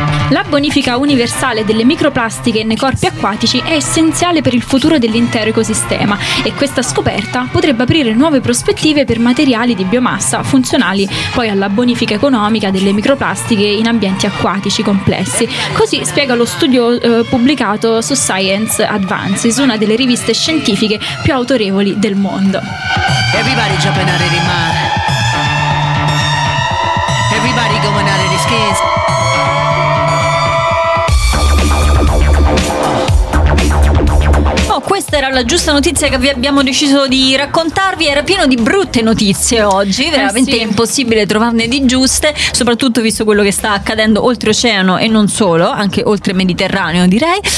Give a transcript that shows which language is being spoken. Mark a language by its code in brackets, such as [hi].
[it] La bonifica universale delle microplastiche nei corpi acquatici è essenziale per il futuro dell'intero ecosistema e questa scoperta potrebbe aprire nuove prospettive per materiali di biomassa funzionali poi alla bonifica economica delle microplastiche in ambienti acquatici complessi. Così spiega lo studio pubblicato su Science Advances, una delle riviste scientifiche più autorevoli del mondo. [en] Everybody jumping out of the mud. Everybody going out of the skins. [it] Questa era la giusta notizia che vi abbiamo deciso di raccontarvi. Era pieno di brutte notizie oggi, veramente impossibile trovarne di giuste, soprattutto visto quello che sta accadendo oltreoceano e non solo, anche oltre Mediterraneo direi.